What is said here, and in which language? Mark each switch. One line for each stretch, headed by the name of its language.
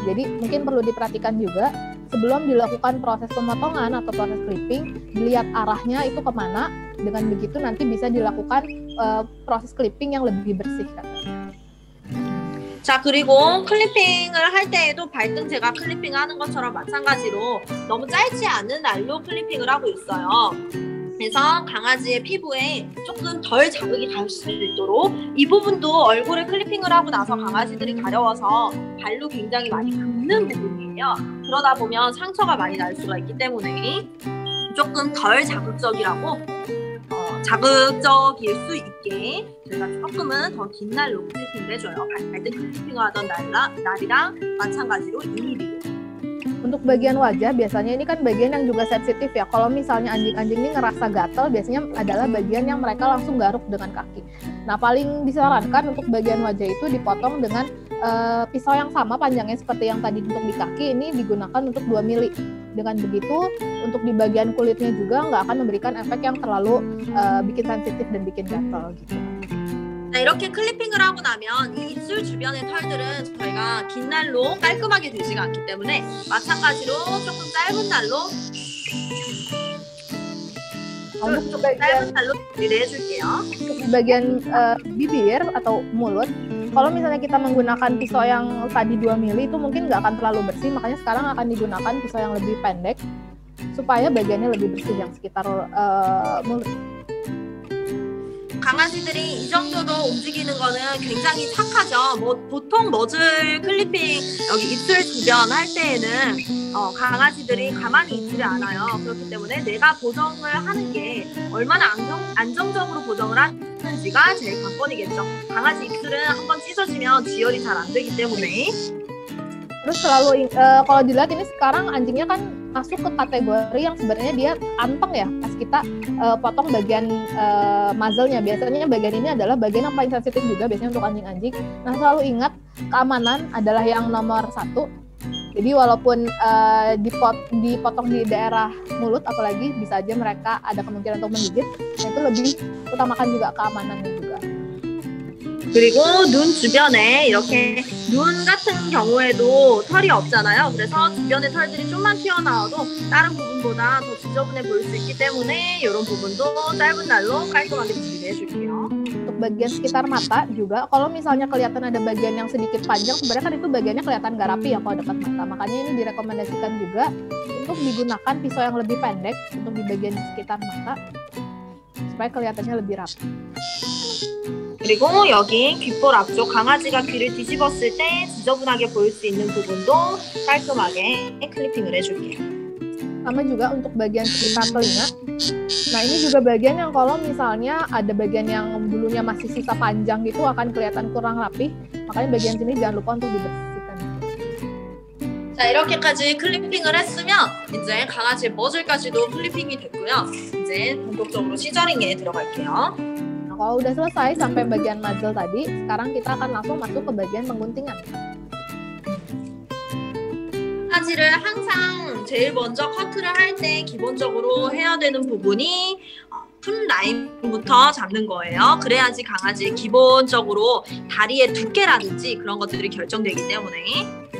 Indonesian: Jadi mungkin perlu diperhatikan juga. Sebelum dilakukan proses pemotongan atau proses clipping, dilihat arahnya itu kemana. Dengan begitu nanti bisa dilakukan proses clipping yang lebih bersih.
Korean: 자, 그리고 클리핑을 할 때에도 발등 제가 클리핑 하는 것처럼 마찬가지로 너무 짧지 않은 날로 클리핑을 하고 있어요. 그래서 강아지의 피부에 조금 덜 자극이 갈 수 있도록 이 부분도 얼굴을 클리핑을 하고 나서 강아지들이 가려워서 발로 굉장히 많이 감는 부분이에요. 그러다 보면 상처가 많이 날 수가 있기 때문에 조금 덜 자극적이라고 자극적일 수 있게 제가 조금은 더 긴 날로 클리핑을 해줘요. 발등 클리핑을 하던 날이랑 마찬가지로 2mm.
Indonesian: Untuk bagian wajah biasanya ini kan bagian yang juga sensitif ya. Kalau misalnya anjing-anjing ini ngerasa gatal biasanya adalah bagian yang mereka langsung garuk dengan kaki. Nah paling disarankan untuk bagian wajah itu dipotong dengan pisau yang sama panjangnya seperti yang tadi untuk di kaki ini digunakan untuk 2 mili. Dengan begitu untuk di bagian kulitnya juga nggak akan memberikan efek yang terlalu bikin sensitif dan bikin gatal gitu.
Korean: 네, 이렇게 클리핑을 하고 나면 이 입술 주변의 털들은 저희가 긴 날로 깔끔하게 되지가 않기 때문에 마찬가지로 조금 짧은 날로
Indonesian: untuk saya menghalus di bagian bibir atau mulut. Kalau misalnya kita menggunakan pisau yang tadi 2 mili itu mungkin nggak akan terlalu bersih, makanya sekarang akan digunakan pisau yang lebih pendek supaya bagiannya lebih bersih yang sekitar mulut.
Korean: 강아지들이 이 정도도 움직이는 거는 굉장히 착하죠. 뭐 보통 머즐 클리핑 여기 입술 주변 할 때에는 강아지들이 가만히 있지를 않아요. 그렇기 때문에 내가 보정을 하는 게 얼마나 안정적으로 보정을 하는지가 제일 관건이겠죠. 강아지 입술은 한번 찢어지면 지혈이 잘 안 되기 때문에. 그리고
Indonesian: selalu kalau dilihat ini sekarang anjingnya kan masuk ke kategori yang sebenarnya dia anteng ya, pas kita potong bagian muzzle-nya. Biasanya bagian ini adalah bagian yang paling sensitif juga biasanya untuk anjing-anjing. Nah, selalu ingat keamanan adalah yang nomor satu. Jadi walaupun dipotong di daerah mulut, apalagi bisa aja mereka ada kemungkinan untuk menggigit, nah itu lebih utamakan juga keamanannya juga.
Korean: 그리고 눈 주변에 이렇게 눈 같은 경우에도 털이 없잖아요. 그래서 주변에 털들이 좀만 튀어나와도 다른 부분보다 더 지저분해 보일 수 있기 때문에 이런 부분도 짧은 날로 깔끔하게 준비해 줄게요.
Indonesian: Bagian sekitar mata juga, kalau misalnya kelihatan ada bagian yang sedikit panjang, sebenarnya kan itu bagiannya kelihatan nggak rapi ya kalau dekat mata. Makanya ini direkomendasikan juga untuk digunakan pisau yang lebih pendek untuk di bagian sekitar mata supaya kelihatannya lebih rapi.
Korean: 그리고 여기 귓볼 앞쪽 강아지가 귀를 뒤집었을 때 지저분하게 보일 수 있는 부분도 깔끔하게 클리핑을 해줄게요.
Indonesian: Sama juga untuk bagian sekitar telinga. Nah, ini juga bagian yang kalau misalnya ada bagian yang bulunya masih sisa panjang gitu akan kelihatan kurang rapi. Makanya bagian sini jangan lupa untuk dibersihkan.
Korean: 자, 이렇게까지 클리핑을 했으면 이제 강아지 머슬까지도 클리핑이 됐고요. 이제 본격적으로 시저링에 들어갈게요.
Indonesian: Nah, kalau udah selesai sampai bagian muzzle tadi, sekarang kita akan langsung masuk ke bagian pengguntingan.
Korean: 강아지를 항상 제일 먼저 커트를 할 때 기본적으로 해야 되는 부분이 품 라인부터 잡는 거예요. 그래야지 강아지 기본적으로 다리의 두께라든지 그런 것들이 결정되기 때문에.